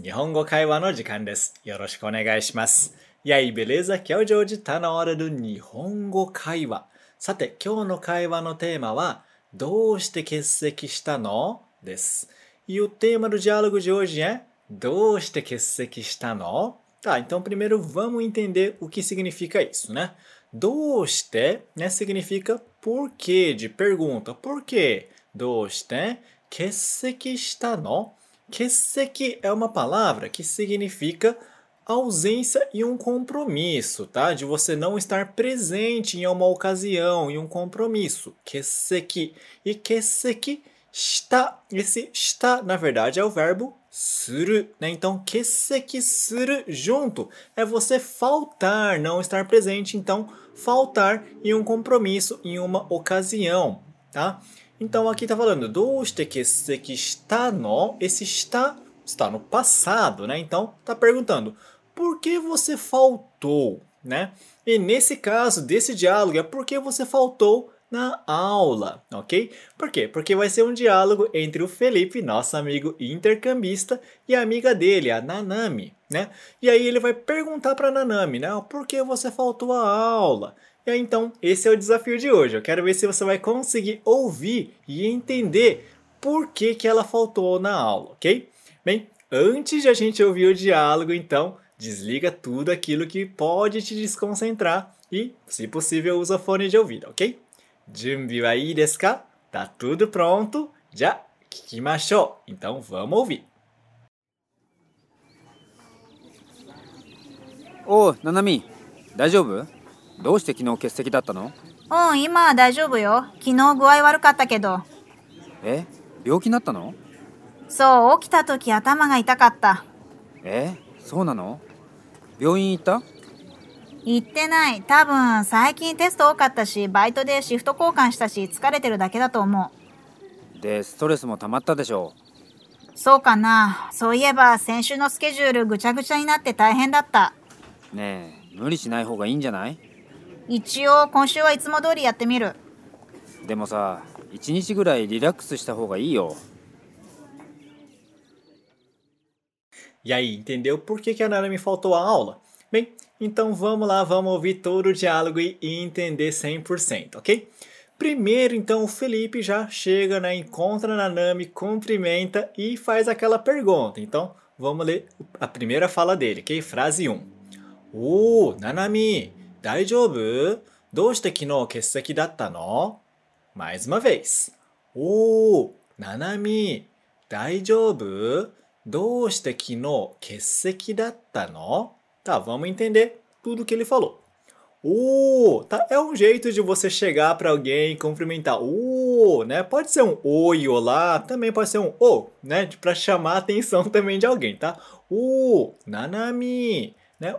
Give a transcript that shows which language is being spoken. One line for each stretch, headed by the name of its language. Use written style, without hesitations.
Japanese: 日本語会話の時間です。よろしくお願いします。やい、ベレーザ、今日ジョージ、たのわれる日本語会話。さて、今日の会話のテーマは、どうして欠席したのです。言ってもらうジャーログ、ジョージ、どうして欠席したの？
Portuguese: Tá, então primeiro vamos entender o que significa isso, né? どうして、né, significa por quê, de pergunta. Por quê?
Japanese: どうして欠席したの？
Portuguese: Kesseki é uma palavra que significa ausência e um compromisso, tá? De você não estar presente em uma ocasião, em um compromisso. Kesseki. E kesseki está. Esse está, na verdade, é o verbo suru, né? Então, kesseki suru junto é você faltar, não estar presente. Então, faltar em um compromisso, em uma ocasião, tá? Então, aqui está falando,
Japanese: どうして欠席したの?
Portuguese: Esse está, está no passado, né? Então, está perguntando, por que você faltou, né? E nesse caso, desse diálogo, é por que você faltou na aula, ok? Por quê? Porque vai ser um diálogo entre o Felipe, nosso amigo intercambista, e a amiga dele, a Nanami, né? E aí ele vai perguntar para a Nanami, né? Por que você faltou à aula? Então, esse é o desafio de hoje. Eu quero ver se você vai conseguir ouvir e entender por que, que ela faltou na aula, ok? Bem, antes de a gente ouvir o diálogo, então, desliga tudo aquilo que pode te desconcentrar e, se possível, usa fone de ouvido, ok?
Japanese: 準備はいいですか?
Portuguese: Tá tudo pronto?
Japanese: じゃ、聞きましょう!
Portuguese: Então, vamos ouvir!
Japanese: Ô, Nanami, 大丈夫? どうして昨日欠席だったの? うん、今は大丈夫よ。昨日具合悪かったけど。え?病気になったの? そう、起きた時頭が痛かった。え?そうなの?病院行った? 行ってない。多分最近テスト多かったし、バイトでシフト交換したし、疲れてるだけだと思う。で、ストレスも溜まったでしょう。そうかな。そういえば先週のスケジュールぐちゃぐちゃになって大変だった。ねえ、無理しない方がいいんじゃない? 一応今週はいつも通りやってみる。でもさ、一日ぐらいリラックスした方がいいよ。
Portuguese: E aí, entendeu por que, que a Nanami faltou a aula? Bem, então vamos lá, vamos ouvir todo o diálogo e entender 100%, ok? Primeiro, então, o Felipe já chega, né, encontra a Nanami, cumprimenta e faz aquela pergunta. Então, vamos ler a primeira fala dele, ok? Frase 1. Nanami!
Japanese: 大丈夫? どうして昨日欠席だったの?
Portuguese: Mais uma vez. Nanami,
Japanese: 大丈夫? どうして昨日欠席だったの?
Portuguese: Tá, vamos entender tudo que ele falou. Tá, é um jeito de você chegar para alguém e cumprimentar. Né? Pode ser um oi, olá, também pode ser um né? Para chamar a atenção também de alguém, tá? Nanami, né?